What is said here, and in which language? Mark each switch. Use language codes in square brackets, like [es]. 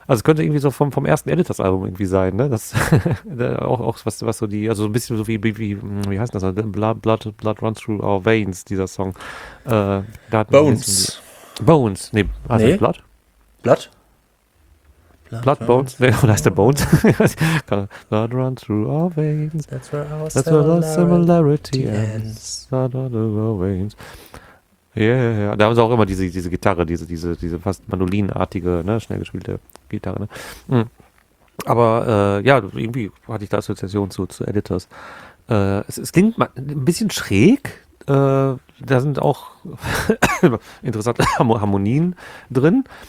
[de] Also könnte irgendwie so vom ersten Editors-Album irgendwie sein, ne? Das auch was so die, also so ein bisschen so wie heißt das? Blood Runs Through Our Veins, dieser Song. Bones. Bones, nee, also nee. Blood? Blood? Blood Bones, nee, oder heißt der Bones? [en] Blood run through our veins. That's where our similarity ends. Blood run through our veins. Yeah. [de] Da haben sie auch immer diese Gitarre, diese fast mandolinartige, ne, schnell gespielte Gitarre. Ne? Aber irgendwie hatte ich da Assoziation zu Editors. Es klingt mal ein bisschen schräg. Da sind auch interessante Harmonien drin.